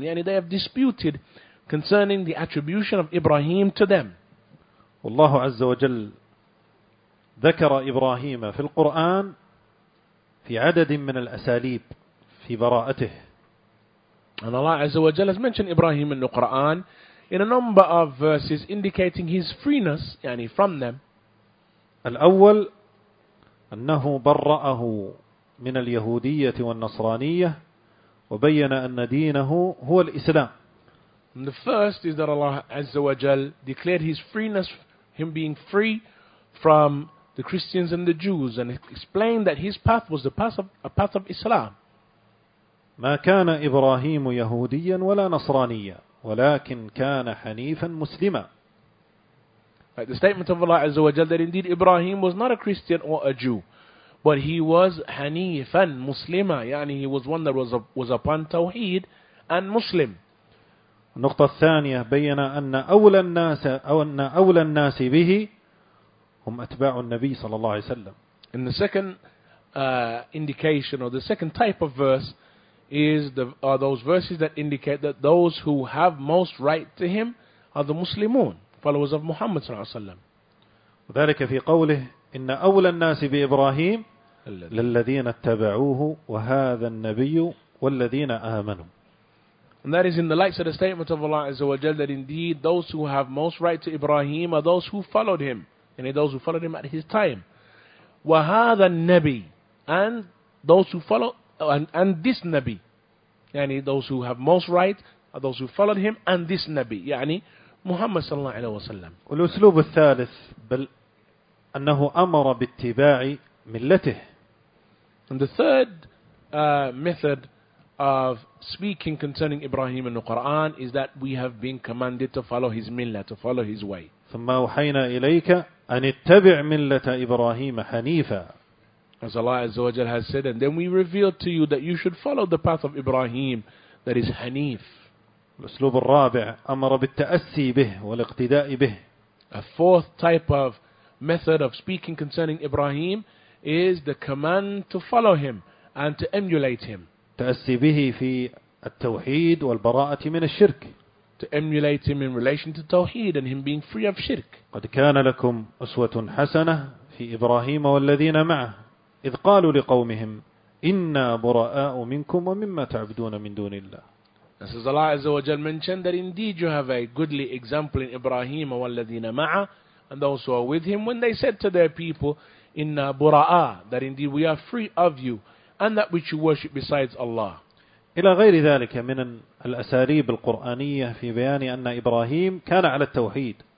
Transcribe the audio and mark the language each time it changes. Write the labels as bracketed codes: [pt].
[en] Yani they have disputed concerning the attribution of Ibrahim to them. [ar] والله عز وجل ذكر إبراهيم في القرآن في عدد من الأساليب في براءته. [en] And Allah Azza wa Jalla has mentioned Ibrahim in the Quran in a number of verses indicating his freeness, يعني from them. [ar] الأول أنه برأه من اليهودية والنصرانية وبين أن دينه هو الإسلام. [en] And the first is that Allah Azza wa Jalla declared his freeness, him being free from the Christians and the Jews, and explained that his path was the path of a path of Islam. [ar] ما كان إبراهيم يهوديا ولا نصرانيا ولكن كان حنيفا مسلما. [en] Like the statement of Allah Azza wa Jalla that indeed Ibrahim was not a Christian or a Jew, but he was hanifan مسلما, يعني he was one that was upon tawheed and Muslim. [ar] النقطة الثانية بين أن أولى الناس أو أن أولى الناس به هم أتباع النبي صلى الله عليه وسلم. [en] In the second indication or the second type of verse is the are those verses that indicate that those who have most right to him are the Muslimun, followers of Muhammad [ar] صلى الله عليه وسلم. وذلك في قوله إن أولى الناس بإبراهيم للذين اتبعوه وهذا النبي والذين آمنوا. [en] And that is in the light of the statement of Allah Azza wa Jalla that indeed those who have most right to Ibrahim are those who followed him, and those who followed him at his time. [ar] وَهَذَا النَّبِي [en] and those who follow and this Nabi. يعني those who have most right are those who followed him and this Nabi. [ar] يعني محمد صلى الله عليه وسلم. والأسلوب الثالث بل أنه أمر باتباع ملته. [en] And the third method of speaking concerning Ibrahim in the Quran is that we have been commanded to follow his millah, to follow his way. [ar] ثم أوحينا إليك أن اتبع ملة إبراهيم حنيفا. [en] As Allah Azza wa Jalla has said, and then we revealed to you that you should follow the path of Ibrahim, that is Hanif. [ar] الأسلوب الرابع أمر بالتأسي به والاقتداء به. [en] A fourth type of method of speaking concerning Ibrahim is the command to follow him and to emulate him. [ar] تأسي به في التوحيد والبراءة من الشرك. [en] To emulate him in relation to tawheed and him being free of shirk. [ar] قد كان لكم أسوة حسنة في إبراهيم والذين معه إذ قالوا لقومهم إنا براء منكم ومما تعبدون من دون الله. [en] This is Allah Azza wa Jalla mentioned that indeed you have a goodly example in Ibrahim [ar] والذين معه [en] and those who are with him when they said to their people [ar] إنا براء, [en] that indeed we are free of you and that which you worship besides Allah. [ar] إلى غير ذلك من الأساليب القرآنية في بيان أن إبراهيم كان على التوحيد.